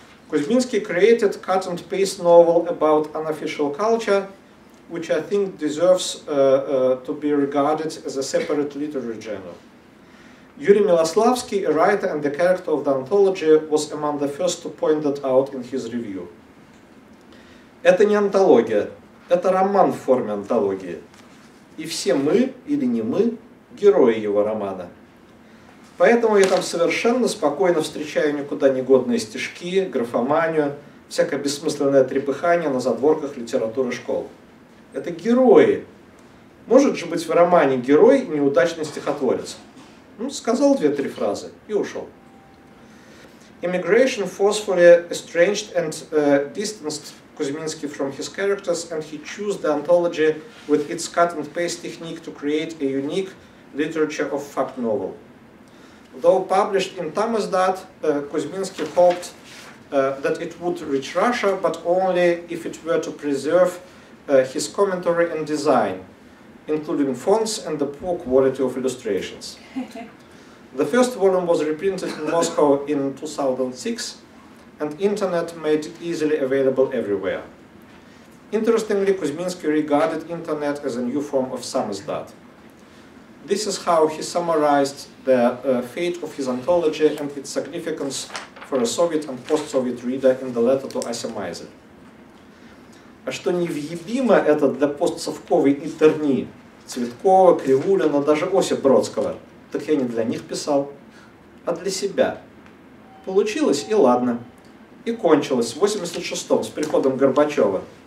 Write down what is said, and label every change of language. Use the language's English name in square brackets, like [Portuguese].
[English] Kuzminsky created a cut-and-paste novel about unofficial culture, which I think deserves to be regarded as a separate literary genre. Yuri Miloslavsky, a writer and the character of the anthology, was among the first to point that out in his review. [Russian] Это не антология, это роман в форме антологии. И все мы, или не мы, герои его романа. Поэтому я там совершенно спокойно встречаю никуда негодные стишки, графоманию, всякое бессмысленное трепыхание на задворках литературы школ. Это герои. Может же быть в романе герой и неудачный стихотворец. Ну, сказал 2-3 фразы и ушел. [English] Immigration forcefully estranged and distanced Kuzminsky from his characters, and he chose the anthology with its cut-and-paste technique to create a unique literature of fact novel. Though published in Tamizdat, Kuzminsky hoped that it would reach Russia, but only if it were to preserve his commentary and design, including fonts and the poor quality of illustrations. The first volume was reprinted in Moscow in 2006, and internet made it easily available everywhere. Interestingly, Kuzminsky regarded internet as a new form of samizdat. This is how he summarized the fate of his anthology and its significance for a Soviet and post-Soviet reader in the letter to Asimaisen. [Russian] А что невъебимо это для постсовковой интерни Цветкова, Кривулина, даже Осип Бродского, так я не для них писал, а для себя. Получилось и ладно. И кончилось в 86-м с приходом Горбачева.